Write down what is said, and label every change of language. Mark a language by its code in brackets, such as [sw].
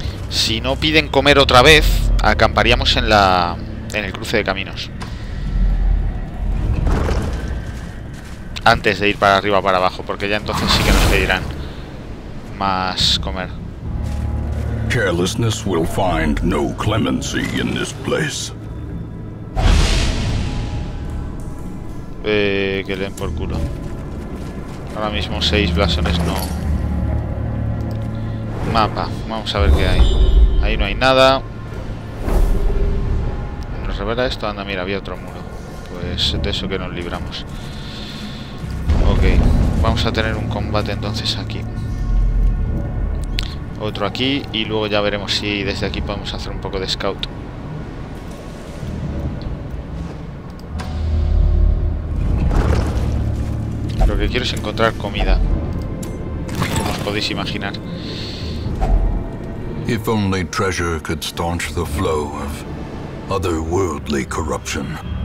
[es] Si no piden comer otra vez, acamparíamos en la en el cruce de caminos. Antes de ir para arriba o para abajo, porque ya entonces sí que nos pedirán más comer. [en] Carelessness will find no clemency in this place. [es] Que den por culo. Ahora mismo 6 blasones no. Mapa, vamos a ver qué hay. Ahí no hay nada. ¿Nos revela esto? Anda, mira, había otro muro. Pues de eso que nos libramos. Ok, vamos a tener un combate entonces aquí. Otro aquí y luego ya veremos si desde aquí podemos hacer un poco de scout. Lo que quiero es encontrar comida, como os podéis imaginar. [en] If only treasure could staunch the flow of otherworldly corruption.